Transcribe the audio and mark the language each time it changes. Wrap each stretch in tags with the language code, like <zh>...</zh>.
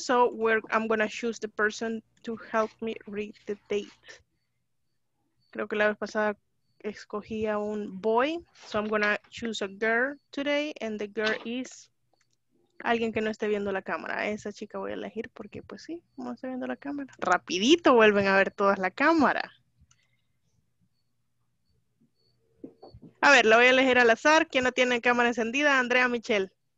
<en>So, I'm going to choose the person to help me read the date.</en> <es>Creo que la vez pasada escogí a un boy.</es> <en>So, I'm going to choose a girl today. And the girl is</en> <es>alguien que no esté viendo la cámara. Esa chica voy a elegir porque, pues sí, no está viendo la cámara. Rapidito vuelven a ver todas la cámara. A ver, la voy a elegir al azar. ¿Quién no tiene cámara encendida? Andrea Michelle.</es>